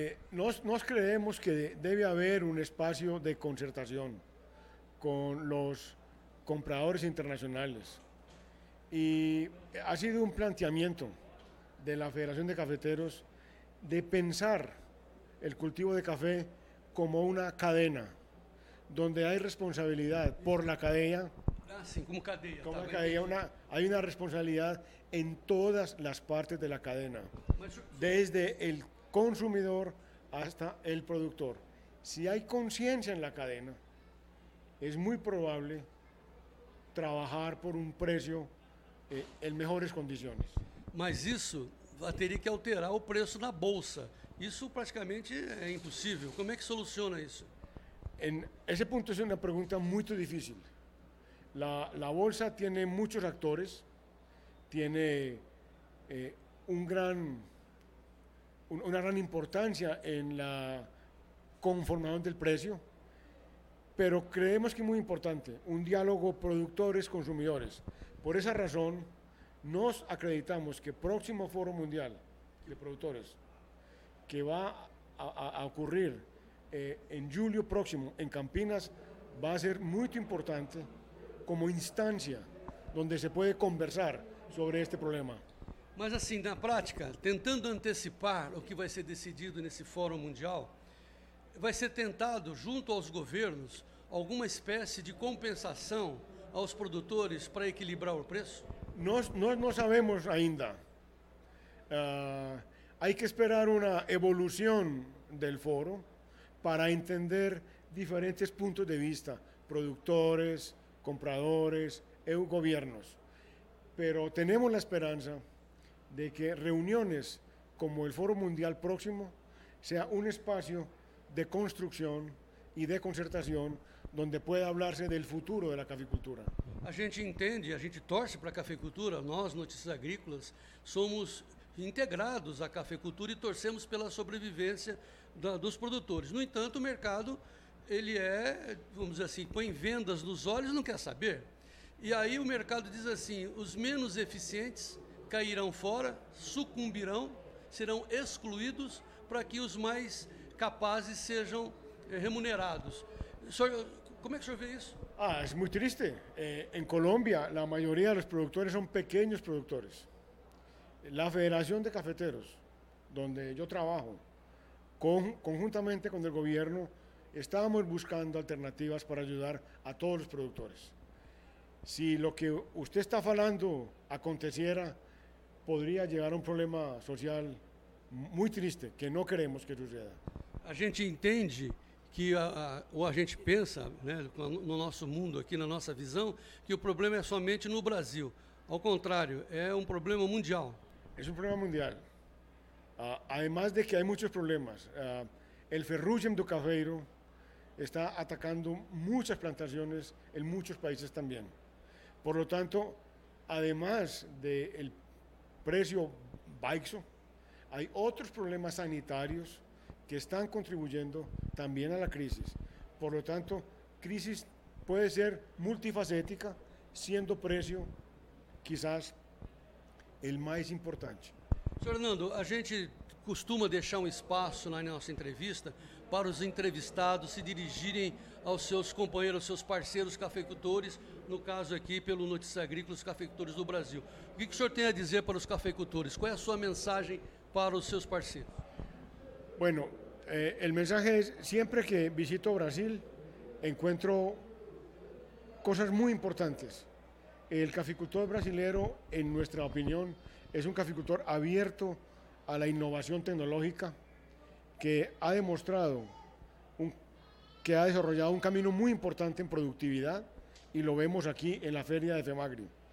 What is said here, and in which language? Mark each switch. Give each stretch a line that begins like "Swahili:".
Portuguese: Nós creemos que deve haver um espaço de concertação com os compradores internacionais.
Spanish: E ha sido um planteamento de la Federación de Cafeteros de pensar el cultivo de café como una cadena, donde hay responsabilidad por la cadena. Ah, sí, como cadena. Como la cadena, hay una responsabilidad en todas las partes de la cadena, desde el consumidor hasta el productor. Si hay conciencia en la cadena, es muy probable trabajar por un precio en mejores condiciones.
Portuguese: Mas isso teria que alterar o preço na bolsa. Isso praticamente é impossível. Como é que soluciona isso? Esse ponto é uma pergunta muito difícil.
Spanish: La bolsa tiene muchos actores, tiene una gran importancia en la conformación del precio, pero creemos que es muy importante un diálogo productores-consumidores. Por esa razón,
Portuguese: nos acreditamos
Spanish: que próximo Foro Mundial de Productores, que va a ocurrir en julio próximo en Campinas, va a ser muy importante como instancia donde se puede conversar sobre este problema.
Portuguese: Mas assim, na prática, tentando antecipar o que vai ser decidido nesse Fórum Mundial, vai ser tentado, junto aos governos, alguma espécie de compensação aos produtores para equilibrar o preço? Nós não sabemos ainda. Há que esperar uma evolução do fórum para entender diferentes pontos de vista, produtores, compradores e governos.
Spanish: Pero tenemos la esperanza de que reuniones como el Foro Mundial próximo sea un espacio de construcción y de concertación donde pueda hablarse del futuro de la caficultura.
Portuguese: A gente entende, a gente torce para a caficultura, nós, Notícias Agrícolas, somos integrados à caficultura e torcemos pela sobrevivência dos produtores. No entanto, o mercado, ele é, vamos dizer assim, põe vendas nos olhos e não quer saber. E aí o mercado diz assim, os menos eficientes cairão fora, sucumbirão, serão excluídos para que os mais capazes sejam remunerados. Senhor, como é que o senhor vê isso? Ah, é muito triste. Em Colômbia, a maioria dos produtores são pequenos produtores. A Federação de Cafeteiros, onde eu trabalho, conjuntamente com o governo, estamos buscando alternativas para ajudar a todos os produtores.
Spanish: Si lo que usted está falando aconteciera, podría llegar a un problema social muy triste, que no queremos que suceda.
Portuguese: A gente entende que, ou a gente pensa, né, no nosso mundo aqui, na nossa visão, que o problema é somente no Brasil. Ao contrário, é um problema mundial. É um problema mundial.
Spanish: Además de que
Portuguese: há muitos problemas, o ferrugem do cafeiro está atacando muitas plantações em muitos países também.
Spanish: Por lo tanto, además del precio baixo, hay otros problemas sanitarios que están contribuyendo también a la crisis. Por lo tanto, crisis puede ser multifacética, siendo precio quizás el más importante. Sr. Hernando, a gente costuma deixar um espaço na nossa entrevista para os entrevistados se dirigirem aos seus companheiros, aos seus parceiros cafeicultores, no caso aqui pelo Notícias Agrícolas, cafeicultores do Brasil. O que o senhor tem a dizer para os cafeicultores? Qual é a sua mensagem para os seus parceiros? Bueno, el mensaje es siempre que visito Brasil encuentro cosas muy importantes. El caficultor brasileño, en nuestra opinión, es un caficultor abierto a la innovación tecnológica que ha demostrado que ha desarrollado un camino muy importante en productividad y lo vemos aquí en la feria de FEMAGRI.